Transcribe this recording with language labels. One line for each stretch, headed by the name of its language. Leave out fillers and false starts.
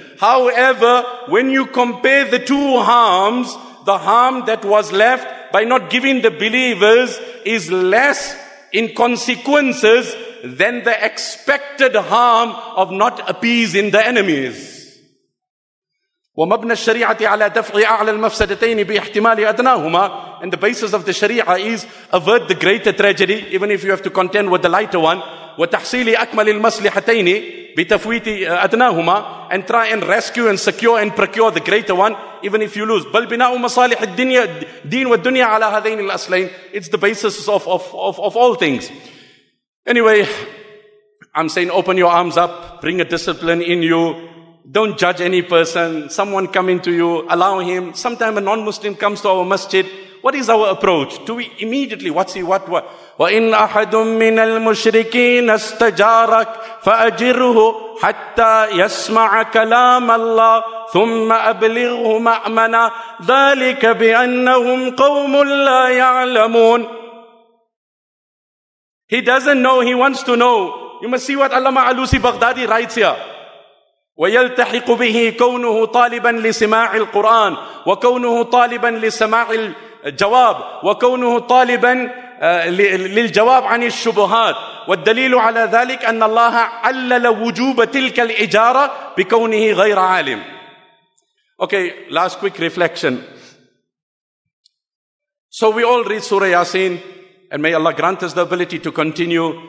English: However, when you compare the two harms, the harm that was left by not giving the believers is less in consequences than the expected harm of not appeasing the enemies.
Arabic: ومبنى الشريعة على دفع أعلى المفسدتين باحتمال أدناهما.
English: And the basis of the Sharia is avert the greater tragedy, even if you have to contend with the lighter one.
Arabic: وتحصيل أكمل المصلحتين بتفويت أدناهما.
English: And try and rescue and secure and procure the greater one, even if you lose.
Arabic: بل بناء مصالح الدنيا دين والدنيا على هذين الأصلين.
English: It's the basis of all things. Anyway, I'm saying open your arms up, bring a discipline in you. Don't judge any person. Someone coming to you, allow him. Sometime a non-Muslim comes to our masjid. What is our approach? Do we immediately, what's he, what?
Arabic: وَإِنْ أَحَدٌ مِّنَ الْمُشْرِكِينَ اسْتَجَارَكَ فَأَجِرْهُ حَتَّى يَسْمَعَ كَلَامَ اللَّهِ ثُمَّ أَبْلِغْهُ مَأْمَنَا ذَلِكَ بِأَنَّهُمْ قَوْمٌ لَا يَعْلَمُونَ.
English: He doesn't know, he wants to know. You must see what Allama Alusi Baghdadi writes here.
Arabic: ويلتحق به كونه طالبا لسماع القرآن وكونه طالبا لسماع الجواب وكونه طالبا للجواب عن الشبهات والدليل على ذلك أن الله علل وجوب تلك الإجارة بكونه غير عالم.
English: Okay, last quick reflection. So we all read Surah Yasin, and may Allah grant us the ability to continue.